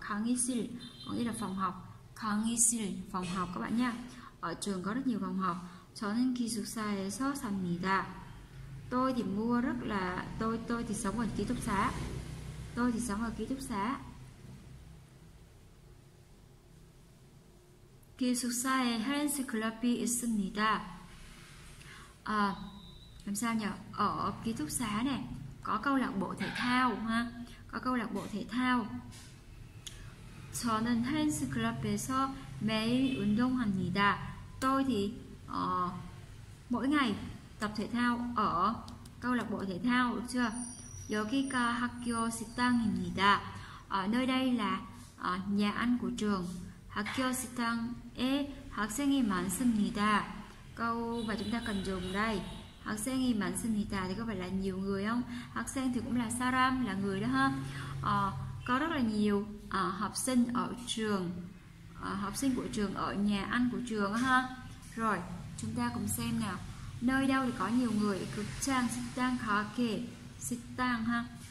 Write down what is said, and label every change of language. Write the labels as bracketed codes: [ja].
[vi] 강의실 có nghĩa là phòng học. 강의실 phòng học các bạn nha. Ở trường có rất nhiều phòng học. [ko] 저는 기숙사에서 삽니다. [vi] Tôi thì mua rất là tôi thì sống ở ký túc xá. Tôi thì sống ở ký túc xá. [ko] 기숙사에 헬스클럽이 있습니다. [vi] Làm sao nhỉ? Ở ký túc xá này có câu lạc bộ thể thao ha. Có câu lạc bộ thể thao. [ko] 저는 헬스클럽에서 매일 운동합니다. [vi] Tôi thì Mỗi ngày tập thể thao ở câu lạc bộ thể thao được chưa? [ko] 여기 가 학교 식당입니다. [vi] Ở nơi đây là nhà ăn của trường. [ko] 학교 식당에 학생이 많습니다. [vi] Câu mà chúng ta cần dùng đây. [ko] 학생이 많습니다 [vi] thì có phải là nhiều người không? 학생 thì cũng là 사람, là người đó ha. Có rất là nhiều học sinh ở trường. Học sinh của trường ở nhà ăn của trường ha. Rồi, chúng ta cùng xem nào. Nơi đâu thì có nhiều người? [ko] 극장, 식당, 가게, 식당 ha.